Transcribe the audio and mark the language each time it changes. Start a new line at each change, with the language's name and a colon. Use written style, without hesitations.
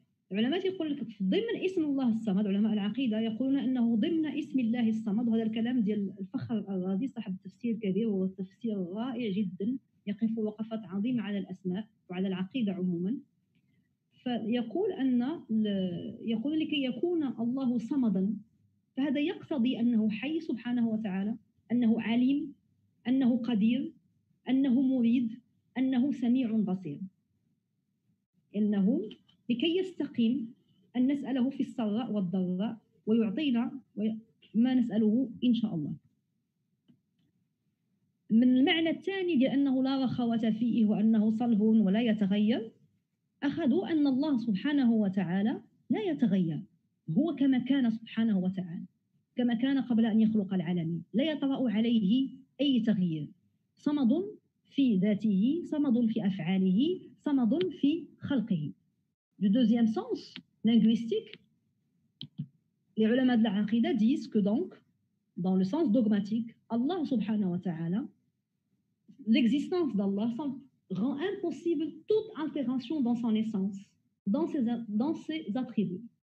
French: Les ulama disent dans l'isme Allah al-Samad, les ulama al-Aqida disent que c'est dans l'isme Allah al-Samad, et c'est le mot de Fakhr al-Razi, c'est un tafsir kabir, et un tafsir raïe, jiddan,
Arabic: يقف وقفة عظيمة على الأسماء وعلى العقيدة عموما. فيقول أن يقول لكي يكون الله صمدا، فهذا يقتضي أنه حي سبحانه وتعالى، أنه عليم، أنه قدير، أنه مريد، أنه سميع بصير. إنه لكي يستقيم أن نسأله في السراء والضراء ويعطينا ما نسأله إن شاء الله. من المعنى الثاني لأنه لا رخوة فيه وأنه صلب ولا يتغير، أخذوا أن الله سبحانه وتعالى لا يتغير، هو كما كان سبحانه وتعالى، كما كان قبل أن يخلق العالمين، لا يطرأ عليه أي تغيير، صمد في ذاته، صمد في أفعاله، صمد في خلقه.
French: Du deuxième sens linguistique, les ulama de l'aqida disent que donc, dans le sens dogmatique, Allah subhanahu wa ta'ala, l'existence d'Allah rend impossible toute altération dans son essence, dans ses attributs.